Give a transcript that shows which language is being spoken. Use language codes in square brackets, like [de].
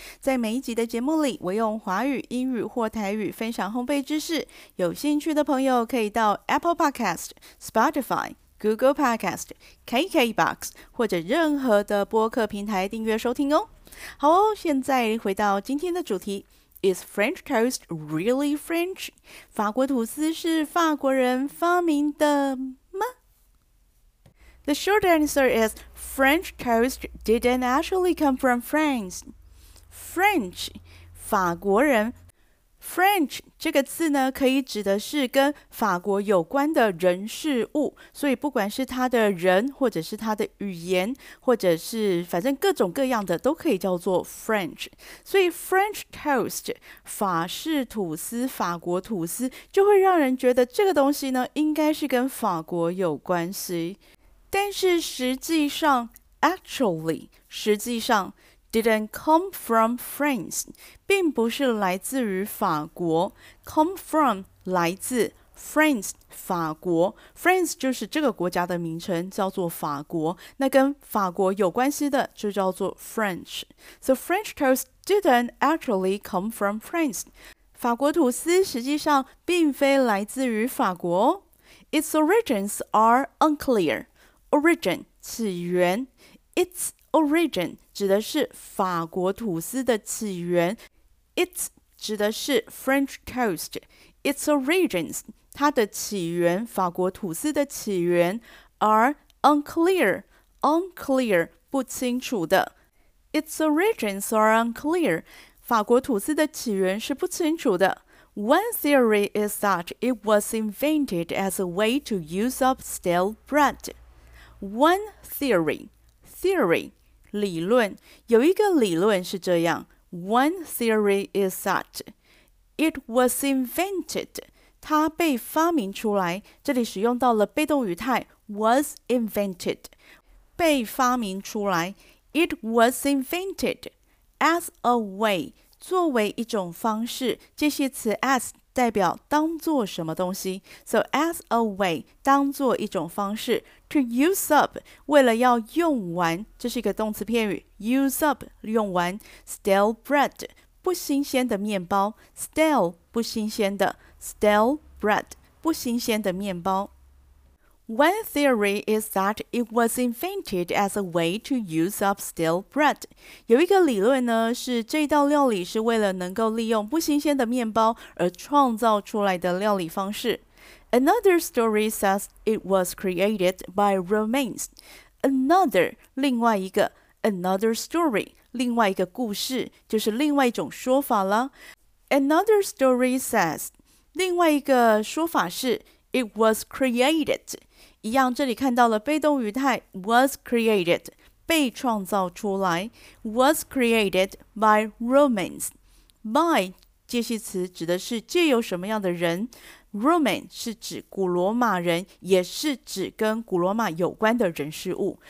[zh] 在每一集的节目里，我用华语、英语或台语分享烘焙知识。有兴趣的朋友可以到 Apple Podcast、Spotify、Google Podcast、KKBox 或者任何的播客平台订阅收听哦。好哦，现在回到今天的主题。 [en] Is French toast really French? [zh] 法国吐司是法国人发明的吗？ [en] The short answer is French toast didn't actually come from France. [zh] French，法国人。 French 这个字呢，可以指的是跟法国有关的人事物，所以不管是他的人，或者是他的语言，或者是反正各种各样的，都可以叫做 French。所以 French toast 法式吐司、法国吐司，就会让人觉得这个东西呢，应该是跟法国有关系。但是实际上，actually 实际上。 [en] Didn't come from France， [zh] 并不是来自于法国。 [en] Come from [zh] 来自 France 法国，France 就是这个国家的名称，叫做法国。那跟法国有关系的就叫做 French。 [en] So French toast didn't actually come from France。 [zh] 法国吐司实际上并非来自于法国哦。 [en] Its origins are unclear。 Origin 起源，its。 [zh] Origin 指的是法国吐司的起源，its 指的是 French toast。 [en] Its origins [zh] 它的起源，法国吐司的起源， [en] are unclear [zh] 不清楚的。 [en] Its origins are unclear， [zh] 法国吐司的起源是不清楚的。 [en] One theory is that it was invented as a way to use up stale bread. One theory。 [zh] 理论有一个理论是这样， [en] One theory is that it was invented， [zh] 它被发明出来。这里使用到了被动语态 [en] was invented， [zh] 被发明出来。 [en] It was invented as a way， [zh] 作为一种方式。介系词 as 代表当做什么东西， [en] so as a way [zh] 当做一种方式。 [en] To use up， [zh] 为了要用完，这是一个动词片语。 [en] Use up， [zh] 用完。 [en] Stale bread， [zh] 不新鲜的面包。 Stale，不新鲜的。 [en] Stale bread， [zh] 不新鲜的面包。 [en] One theory is that it was invented as a way to use up stale bread。 [zh] 有一个理论呢，是这道料理是为了能够利用不新鲜的面包而创造出来的料理方式。 [en] Another story says it was created by Romans. [zh] Another，另外一个， [en] another story， [zh] 另外一个故事，就是另外一种说法了。 [en] Another story says， [zh] 另外一个说法是， [en] it was created。 [zh] 一样，这里看到了被动语态，was created，被创造出来， [en] was created by Romans。 [zh] By 介系词指的是借由什么样的人。 Roman 是指古罗马人，也是指跟古罗马有关的人事物。